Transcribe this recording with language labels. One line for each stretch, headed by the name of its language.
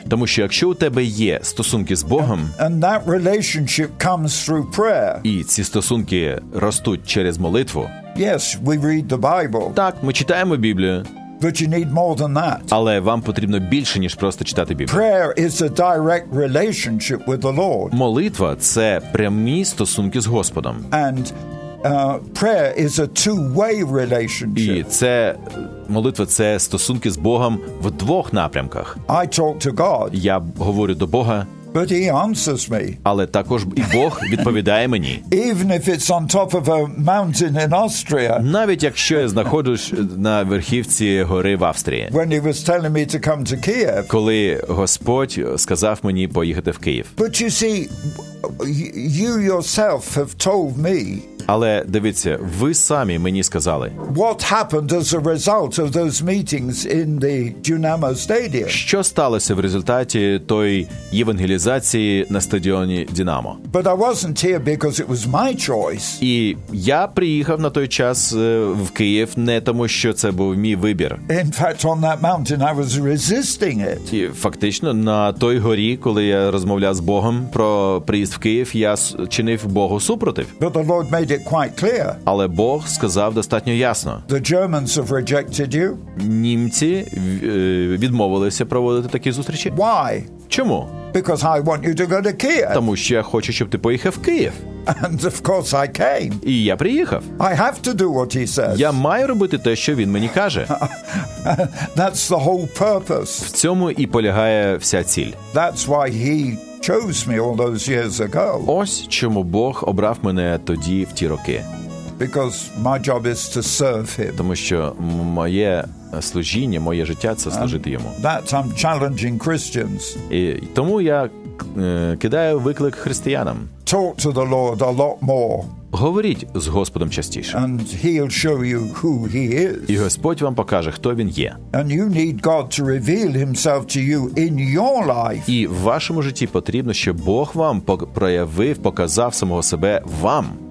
Ukrainian: Тому що якщо у тебе є стосунки з Богом.
English: And that relationship comes through prayer.
Ukrainian: І ці стосунки ростуть через молитву.
English: Yes, we read the Bible.
Ukrainian: Так, ми читаємо Біблію.
English: But you need more than that.
Ukrainian: Але вам потрібно більше, ніж просто читати Біблію.
English: Prayer is a direct relationship with the Lord.
Ukrainian: Молитва – це прямі стосунки з Господом.
English: And prayer is a two-way relationship.
Ukrainian: І це молитва – це стосунки з Богом в двох напрямках.
English: I talk to God.
Ukrainian: Я говорю до Бога.
English: But he answers me.
Ukrainian: Але також і Бог відповідає мені.
English: Even if it's on top of a mountain in Austria.
Ukrainian: Навіть якщо я знаходжусь на верхівці гори в Австрії.
English: When he was telling me to come to Kiev.
Ukrainian: Коли Господь сказав мені поїхати в Київ.
English: But you see, you yourself have told me.
Ukrainian: Але дивіться, ви самі мені сказали.
English: What happened as a result of those meetings in the Dynamo Stadium?
Ukrainian: Що сталося в результаті тої євангелізації на стадіоні Динамо?
English: But I wasn't here because it was my choice.
Ukrainian: І я приїхав на той час в Київ не тому, що це був мій вибір.
English: In fact, on that mountain I was resisting it.
Ukrainian: І фактично на той горі, коли я розмовляв з Богом про приїзд в Київ, я чинив Богу супротив.
English: But the Lord made it quite clear.
Ukrainian: Але Бог сказав достатньо ясно.
English: The Germans have rejected you.
Ukrainian: Німці відмовилися проводити такі зустрічі.
English: Why?
Ukrainian: Чому?
English: Because I want you to go to Kiev.
Ukrainian: Тому що я хочу, щоб ти поїхав в Київ.
English: And of course I came.
Ukrainian: І я приїхав.
English: I have to do what he says.
Ukrainian: Я маю робити те, що він мені каже.
English: That's the whole purpose.
Ukrainian: В цьому і полягає вся ціль.
English: That's why he chose me all those years ago.
Ukrainian: Ось чому Бог обрав мене тоді в ті роки.
English: Because my job is to serve him.
Ukrainian: Тому що моє служіння, моє життя – це служити йому.
English: That I'm challenging Christians.
Ukrainian: І тому я кидаю виклик християнам.
English: Talk to the Lord a lot more.
Ukrainian: Говоріть з Господом частіше.
English: And he'll show you who he is.
Ukrainian: І Господь вам покаже, хто він є.
English: And you need God to reveal himself to you in your life.
Ukrainian: І в вашому житті потрібно, щоб Бог вам проявив, показав самого себе вам.